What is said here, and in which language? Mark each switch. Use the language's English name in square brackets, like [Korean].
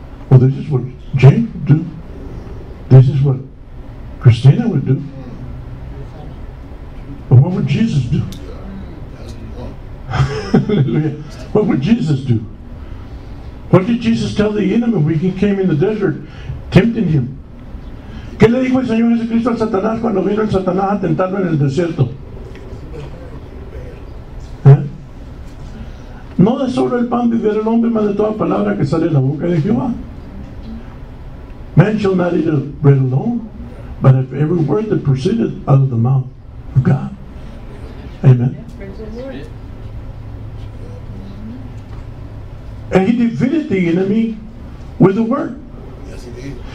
[English] Well, this is what James would do. This is what Christina would do. But what would Jesus do? Hallelujah. What would Jesus do? What did Jesus tell the enemy when he came in the desert, tempting him? [Spanish] ¿Qué le dijo el Señor Jesucristo al Satanás cuando vino el Satanás a tentarlo en el desierto? No de solo el pan vivirá el hombre, mas de toda palabra que sale de la boca de Jehová. [English] Man shall not eat of bread alone, but of every word that proceeded out of the mouth of God. Amen. And he defeated the enemy with the word. Yes, he did.